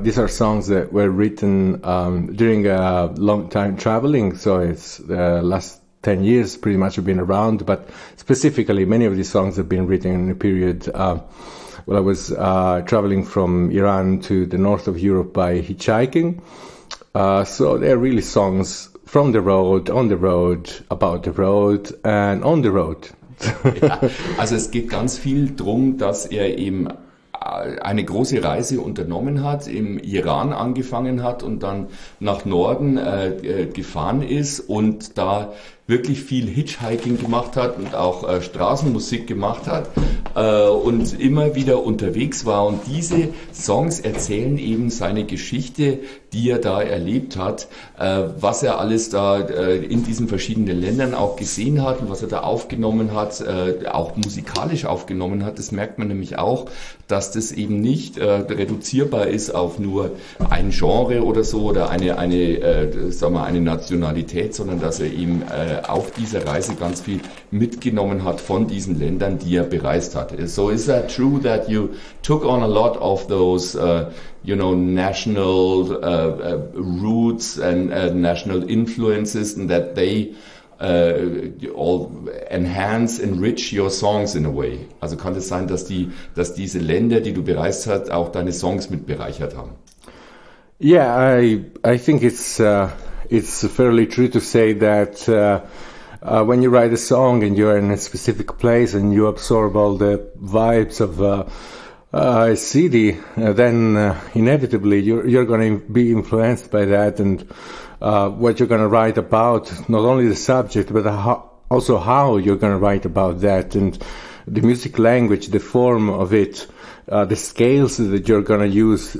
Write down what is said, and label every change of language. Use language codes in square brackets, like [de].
[en] These are songs that were written during a long time traveling, so it's the last 10 years pretty much have been around, but specifically many of these songs have been written in a period I was traveling from Iran to the north of Europe by hitchhiking. So they're really songs from the road, on the road, about the road and on the road. [de] Ja, also es geht ganz viel drum, dass er eben eine große Reise unternommen hat, im Iran angefangen hat und dann nach Norden gefahren ist und da wirklich viel Hitchhiking gemacht hat und auch Straßenmusik gemacht hat und immer wieder unterwegs war. Und diese Songs erzählen eben seine Geschichte, die er da erlebt hat, was er alles da in diesen verschiedenen Ländern auch gesehen hat und was er da aufgenommen hat, auch musikalisch aufgenommen hat. Das merkt man nämlich auch, dass das eben nicht reduzierbar ist auf nur ein Genre oder so oder eine Nationalität, sondern dass er eben auf dieser Reise ganz viel mitgenommen hat von diesen Ländern, die er bereist hat. [en] So is that true that you took on a lot of those national roots and national influences, and that they all enhance, enrich your songs in a way? [de] Also kann es sein, dass diese Länder, die du bereist hast, auch deine Songs mit bereichert haben? [en] I think it's fairly true to say that when you write a song and you're in a specific place and you absorb all the vibes of a city, then inevitably you're going to be influenced by that, and what you're going to write about, not only the subject but also how you're going to write about that, and the music language, the form of it, the scales that you're going to use.